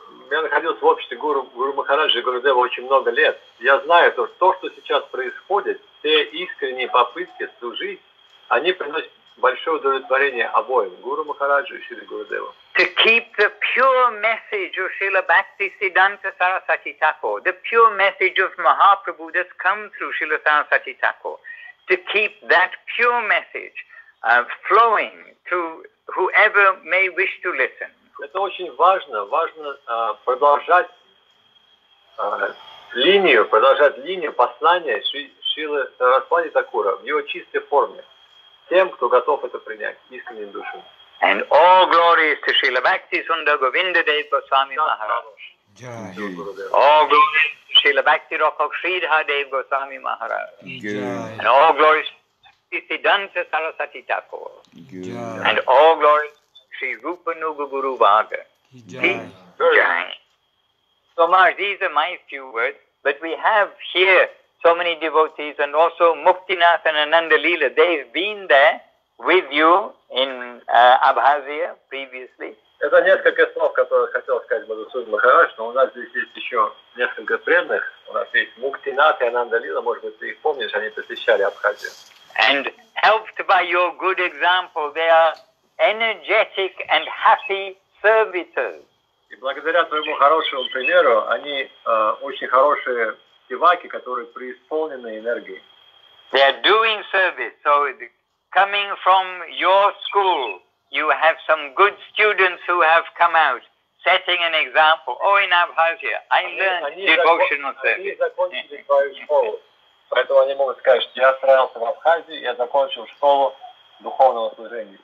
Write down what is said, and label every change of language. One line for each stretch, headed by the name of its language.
Russian: Я находился в обществе Гуру Махараджа и Гуру Дева очень много лет. Я знаю, то, что сейчас происходит, все искренние попытки служить, они приносят большое удовлетворение обоим, Гуру Махараджу и Шри Гуру Деву.
English: To keep the pure message of Srila Bhakti Siddhanta Sarasvati Thakur, the pure message of Mahaprabhu that's come through Srila Sarasvati Thakur, to keep that pure message flowing to whoever may wish to listen.
Russian: Это очень важно продолжать линию послания Шрилы Сарасвати Такура в его чистой форме тем, кто готов это принять искренним душам.
English: And all glories to Srila Bhakti Sundar Govinda Dev Goswami Maharaj. Yeah. All glories to Srila Bhakti Rokok Sridhar Dev Goswami Maharaj. Yeah. And all glories to Siddhanta Sarasvati Thakur. Yeah. And all glories Rupanuga Guru Vaga. Jai. So Maharaj, these are my few words, but we have here so many devotees and also Muktinath and Ananda Leela. They've been there with you in Abhazia previously.
Russian: Это несколько слов, которые хотел сказать Мадхусудан Махарадж, что у нас здесь есть еще несколько преданных. У нас есть Муктинат и Ананда Лила, может быть, ты их помнишь, они посещали Абхазию.
English: And helped by your good example, they are energetic and happy servitors.
Russian: И благодаря твоему хорошему примеру, они очень хорошие деваки, которые преисполнены энергией.
English: They are doing service. So coming from your school, you have some good students who have come out setting an example. Oh, in Abhazia, I learned devotional service.
Russian: Они закончили твою школу. Поэтому они могут сказать, что я строился в Абхазии, я закончил школу духовного служения.